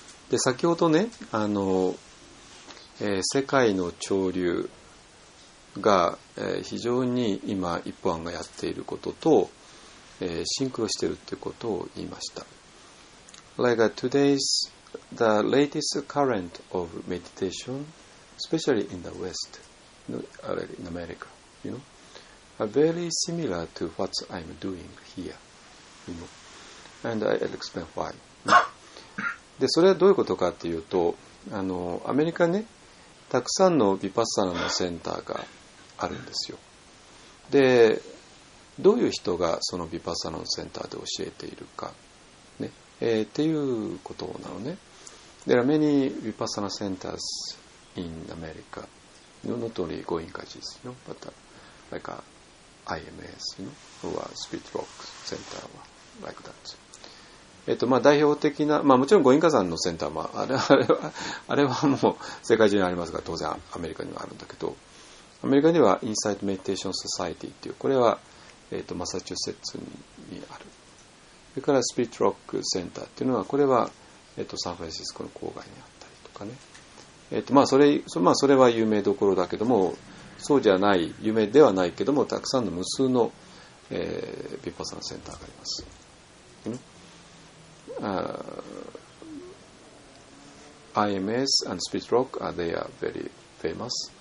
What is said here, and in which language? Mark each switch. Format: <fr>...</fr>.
<ja>で先ほどね、世界の潮流が、非常に今一方案がやっていることと、シンクロしているということを言いました。</ja> <en>Like today's the latest current of meditation, especially in the West, in America, you know. Are very similar to what I'm doing here, you know, and I'll explain why.</en> <ja>で、それはどういうことかっていうと、アメリカね、たくさんのヴィパッサナのセンターがあるんですよ。で、どういう人がそのヴィパッサナのセンターで教えているか、ね、っていうことなのね。</ja> <en>There are many ヴィパッサナ centers in America. Not only going cases, you know, but like aIMS, you know, or Spirit Rock Center, like that.</en> <ja>まあ代表的な、まあもちろんゴインカ山のセンターも、あれはもう世界中にありますが、当然アメリカにはあるんだけど、アメリカには Insight Meditation Society っていう、これは、マサチューセッツにある。それから Spirit Rock Center っていうのは、これは、サンフランシスコの郊外にあったりとかね。それは有名どころだけども、そうじゃない、夢ではないけども、たくさんの無数の、ヴィパッサナセンターがあります。</ja> <en>You know? IMS and Spirit Rock, they are very famous.</en>